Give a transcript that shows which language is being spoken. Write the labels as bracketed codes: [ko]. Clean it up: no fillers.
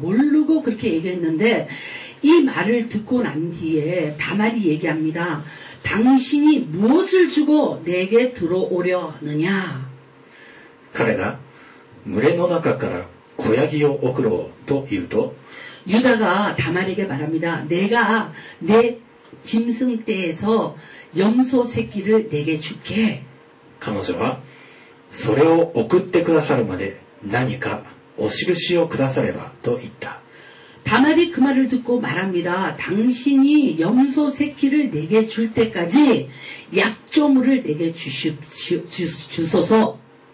[ko] 모르고그렇게얘기했는데이말을듣고난뒤에다말이얘기합니다。 당신이무엇을주고내게들어오려느냐 [ja] 彼が群れの中から小ヤギを送ろうと言うと [ko] 유다가다말에게말합니다내가내짐승떼에서염소새끼를내게줄게 [ja] 彼女はそれを送ってくださるまで何かお印をくださればと言った [ko] 다말이그말을듣고말합니다당신이염소새끼를내게줄때까지약조물을내게주소서